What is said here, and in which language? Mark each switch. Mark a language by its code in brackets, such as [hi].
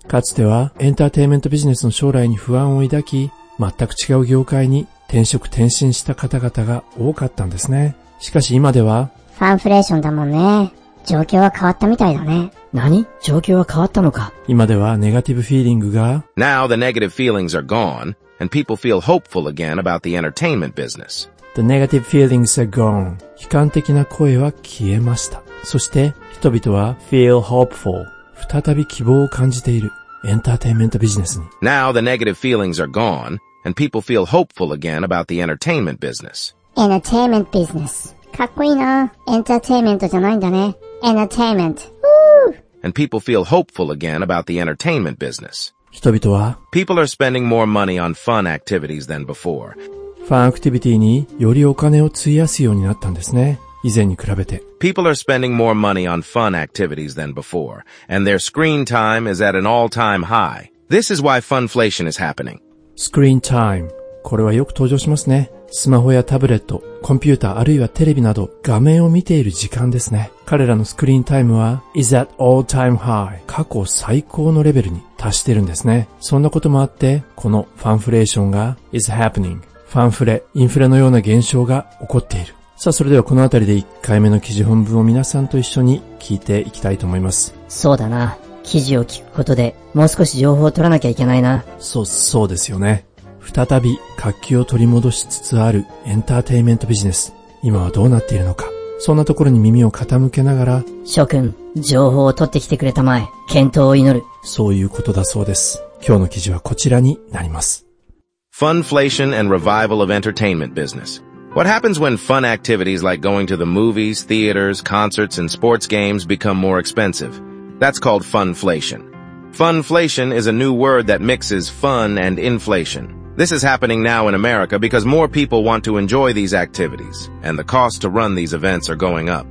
[ja] かつてはエンターテインメントビジネスの将来に不安を抱き、全く違う業界に転職転身した方々が多かったんですね。しかし今では、ファンフレーションだもんね。状況は変わったみたいだね。何？状況は変わったのか。今ではネガティブフィーリングが、 [en] Now the negative feelings are gone, and people feel hopeful again about the entertainment business. The negative feelings are gone. [ja] 悲観的な声は消えました。そして人々は、 [en] feel hopeful. [ja] 再び希望を感じている。エンターテインメントビジネスに。 [en] Now the negative feelings are gone. And people feel hopeful again about the entertainment business. Entertainment business. [ja] かっこいいな。Entertainment じゃないんだね。Entertainment. [en] And people feel hopeful again about the entertainment business. [ja] 人々は [en] People are spending more money on fun activities than before. [ja] ファンアクティビティによりお金を費やすようになったんですね。以前に比べて。 [en] People are spending more money on fun activities than before. And their screen time is at an all-time high. This is why funflation is happening. Screen time. [ja] これはよく登場しますね。スマホやタブレット、コンピューターあるいはテレビなど画面を見ている時間ですね。彼らのスクリーンタイムは [en] is at all time high. [ja] 過去最高のレベルに達してるんですね。そんなこともあって、このファンフレーションが [en] is happening. [ja] ファンフレ、インフレのような現象が起こっている。さあそれではこのあたりで1回目の記事本文を皆さんと一緒に聞いていきたいと思います。そうだな。記事を聞くことでもう少し情報を取らなきゃいけないな。そうですよね。再び活気を取り戻しつつあるエンターテインメントビジネス。今はどうなっているのか。そんなところに耳を傾けながら、諸君、情報を取ってきてくれたまえ。健闘を祈る。そういうことだそうです。今日の記事はこちらになります。 [en] Funflation and revival of entertainment business. What happens when fun activities like going to the movies, theaters, concerts, and sports games become more expensive? That's called funflation. Funflation is a new word that mixes fun and inflation. This is happening now in America because more people want to enjoy these activities, and the cost to run these events are going up.